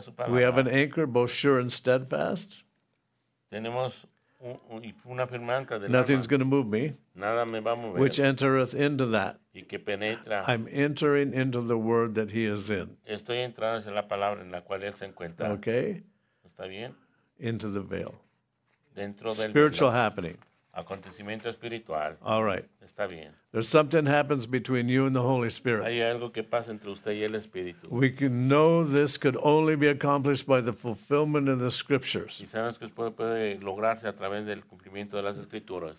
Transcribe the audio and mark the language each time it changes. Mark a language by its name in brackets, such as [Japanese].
[English] We have an anchor, both sure and steadfast. Nothing's going to move me. [Spanish] Nada me va a mover. [English] Which entereth into that. [Spanish] Y que penetra. [English] I'm entering into the word that he is in. [Spanish] Estoy entrando hacia la palabra en la cual él se encuentra. [English] Okay. [Spanish] ¿Está bien? [English] Into the veil. [Spanish] Dentro del [English] spiritual [Spanish] velo. [English] Happening. [Spanish] Acontecimiento espiritual. [English] All right. [Spanish] Está bien. [English] There's something happens between you and the Holy Spirit. [Spanish] Hay algo que pasa entre usted y el Espíritu. [English] We can know this could only be accomplished by the fulfillment of the Scriptures. [Spanish] Y sabemos que esto puede lograrse a través del cumplimiento de las Escrituras.